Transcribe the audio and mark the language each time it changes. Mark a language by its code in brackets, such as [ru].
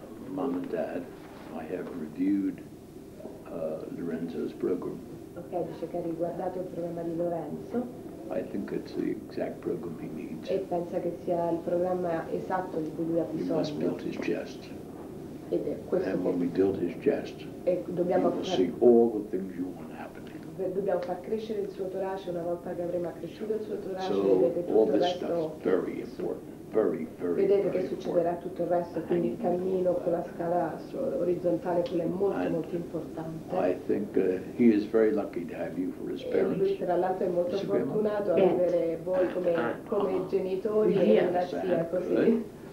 [en] Mom and Dad, I have reviewed Lorenzo's program. [it] Okay, dice che ha riguardato il programma di Lorenzo. [en] I think it's the exact program he needs. [it] E pensa che sia il programma esatto di cui lui ha bisogno. [en] He must build his chest. [it] Ed è questo. [en] And when we build his chest, [it] e dobbiamo [en] he will see all the things you want happening. [it] Dobbiamo far crescere il suo torace una volta che avremo accresciuto il suo torace. [en] So all this stuff is very important. Very, [it] vedete che succederà tutto il resto, quindi il cammino con la scala orizzontale, quello è molto molto importante. [en] I think he is very lucky to have you for his parents. [it] E lui tra l'altro è molto fortunato ad avere voi come genitori e la zia così.